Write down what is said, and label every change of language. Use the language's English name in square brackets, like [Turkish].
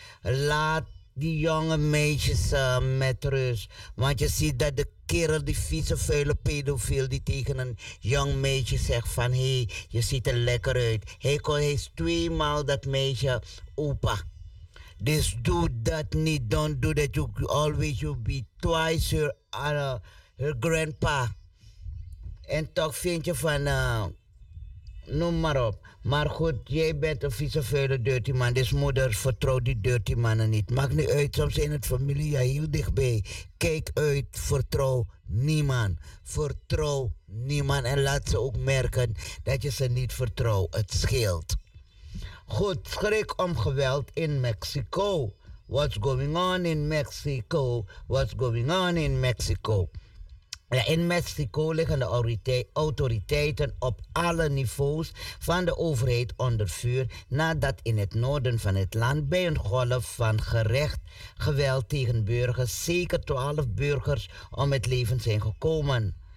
[Dutch] Laat die jonge meisjes met rust. Want je ziet dat de kerel, die vieze vuile pedofiel, die tegen een jong meisje zegt van hé, je ziet er lekker uit. Hij is twee maal dat meisje opa. Dus doe dat niet. [English] Don't do that. You always you be twice her, her grandpa. [Dutch] En toch vind je van, noem maar op. Maar goed, jij bent een vieze vuile dirty man. Dus moeder vertrouwt die dirty mannen niet. Maakt niet uit, soms in het familie, ja, heel dichtbij. Kijk uit, vertrouw niemand. Vertrouw niemand en laat ze ook merken dat je ze niet vertrouwt. Het scheelt. Goed, schrik om geweld in Mexico. [English] What's going on in Mexico? What's going on in Mexico? [Dutch] In Mexico liggen de autoriteiten op alle niveaus van de overheid onder vuur nadat in het noorden van het land bij een golf van gerecht geweld tegen burgers zeker 12 burgers om het leven zijn gekomen.